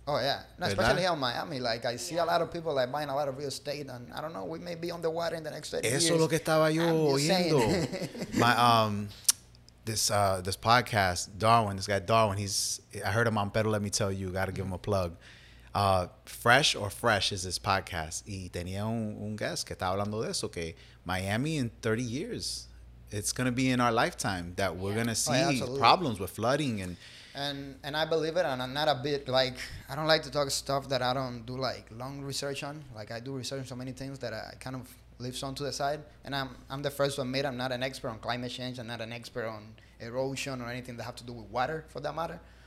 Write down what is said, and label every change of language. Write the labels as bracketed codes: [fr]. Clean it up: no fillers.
[en] Oh yeah, no, especially here in Miami. Like I see a lot of people like buying a lot of real estate, and I don't know, we may be on the water in the next 30 years. [es] Eso es lo que estaba yo oyendo. [en] My this podcast, Darwin. This guy Darwin. I heard him on Better Let Me Tell You. Got to give him a plug. Fresh is his podcast. [es] Y tenía un guest que estaba hablando de eso, que Miami [en] in 30 years. It's going to be in our lifetime that we're going to see problems with flooding. And I believe it, and I'm not a bit, like, I don't like to talk stuff that I don't do, like, long research on. Like, I do research on so many things that I kind of leave some to the side. And I'm the first to admit I'm not an expert on climate change. I'm not an expert on erosion or anything that have to do with water, for that matter.